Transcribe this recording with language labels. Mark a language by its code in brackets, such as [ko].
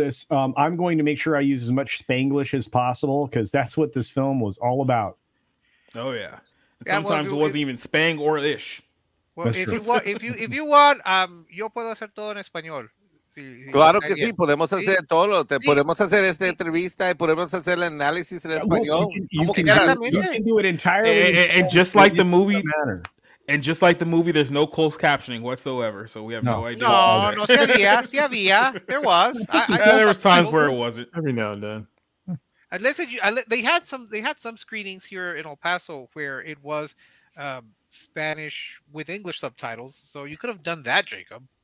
[en] I'm going to make sure I use as much Spanglish as possible because that's what this film was all about. Oh, yeah. Sometimes it wasn't even Spang or Ish. Well, if you want, [es] yo puedo hacer todo en español. Claro que sí, podemos hacer todo. Podemos hacer esta entrevista y podemos hacer el análisis en español. [en] You can do it entirely. And just like the movie. And just like the movie, there's no closed captioning whatsoever, so we have no idea. [es] No, sí había. [en] There was. There were times where it wasn't. Every now and then. They had some screenings here in El Paso where it was Spanish with English subtitles, so you could have done that, Jacob.